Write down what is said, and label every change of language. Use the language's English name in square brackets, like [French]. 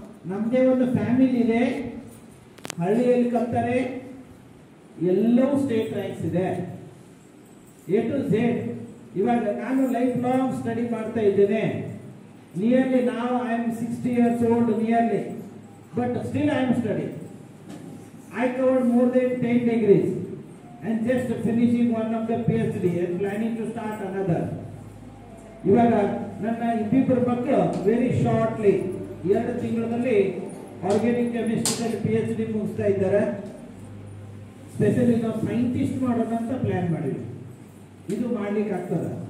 [Kannada] ನಮ್ಮದೇ ಒಂದು ಫ್ಯಾಮಿಲಿ ಇದೆ ಹಳ್ಳಿಯಲ್ಲಿ ಕಲ್ತಾರೆ ಎಲ್ಲವೂ ಸ್ಟೇಟ್ ರ್ಯಾಂಕ್ಸ್ ಇದೆ ಎ ಟು ಝೆಡ್ ಇವಾಗ ನಾನು ಲೈಫ್ ಲಾಂಗ್ ಸ್ಟಡಿ ಮಾಡ್ತಾ ಇದ್ದೇನೆ [English] Nearly now I am 60 years old, nearly. But still I am studying. I covered more than 10 degrees. And just finishing one of the PhD and planning to start another. [Kannada] ಇವಾಗ ನನ್ನ ಇನ್ನಿಬ್ಬರ ಬಗ್ಗೆ very shortly ಎರಡು ತಿಂಗಳಲ್ಲಿ organic ಕೆಮಿಸ್ಟ್ರಿನಲ್ಲಿ P H D ಮುಗಿಸ್ತಾ ಇದ್ದಾರೆ. Specially ನಾವು scientist ಮಾಡೋಣ ಅಂತ ಪ್ಲಾನ್ ಮಾಡಿದ್ವಿ. ಇದು ಮಾಡ್ಲಿಕ್ಕೆ ಆಗ್ತದ?